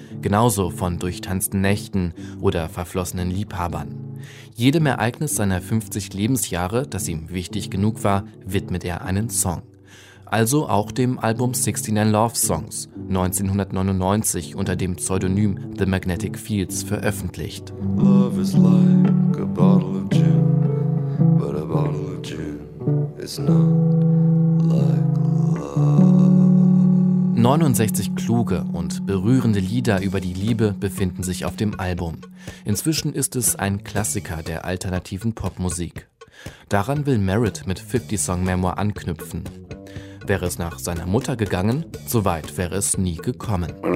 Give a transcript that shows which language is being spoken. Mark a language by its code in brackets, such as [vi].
[de] Genauso von durchtanzten Nächten oder verflossenen Liebhabern. Jedem Ereignis seiner 50 Lebensjahre, das ihm wichtig genug war, widmet er einen Song. Also auch dem Album 69 Love Songs, 1999 unter dem Pseudonym The Magnetic Fields veröffentlicht. [en] Love is like a bottle of gin, but a bottle of gin is not like love. [de] 69 kluge und berührende Lieder über die Liebe befinden sich auf dem Album. Inzwischen ist es ein Klassiker der alternativen Popmusik. Daran will Merritt mit 50 Song Memoir anknüpfen. Wäre es nach seiner Mutter gegangen, so weit wäre es nie gekommen.